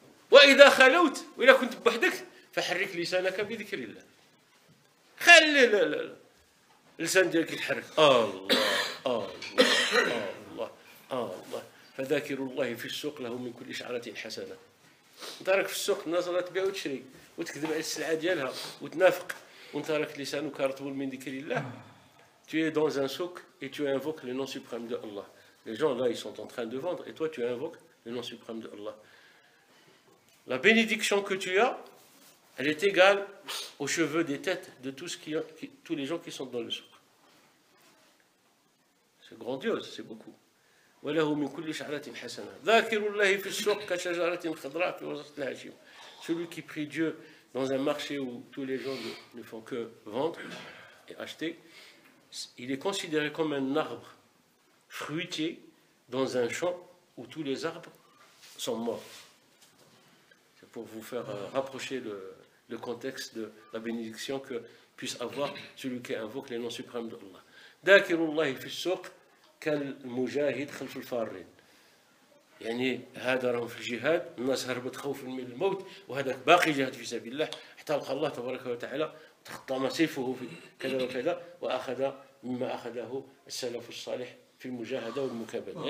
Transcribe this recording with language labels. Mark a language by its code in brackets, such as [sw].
[ar] وإذا خلوت وإذا كنت بوحدك فحرك لسانك بذكر الله، خلي لسان ديالك يتحرك الله الله الله الله، فذاكر الله في السوق له من كل إشعارة حسنة. انت راك في السوق الناس راه تبيع وتشري وتكذب على السلعة ديالها وتنافق، وانت راك لسانك رطبول من ذكر الله، [fr] tu es dans un souk et tu invoques le nom suprême de Allah. Les gens là ils sont en train de vendre et toi tu invoques le nom suprême de Allah. La bénédiction que tu as, elle est égale aux cheveux des têtes de tous, tous les gens qui sont dans le souk. C'est grandiose, c'est beaucoup. [ar] وله من كل شعرة حسنة. ذاكر الله في السوق كشجرة خضراء في وسط الهشيم. [fr] Celui qui prie Dieu dans un marché où tous les gens ne font que vendre et acheter, il est considéré comme un arbre fruitier dans un champ où tous les arbres sont morts. C'est pour vous faire rapprocher le contexte de la bénédiction que puisse avoir celui qui invoque les noms suprêmes d'Allah. [ar] ذاكر الله في السوق كالمجاهد خلف الفارين، يعني هذا راهم في الجهاد، الناس هربت خوفا من الموت، وهذاك باقي جهاد في سبيل الله حتى لقى الله تبارك وتعالى تخطم سيفه في كذا وكذا واخذ مما اخذه السلف الصالح في المجاهده والمكابده.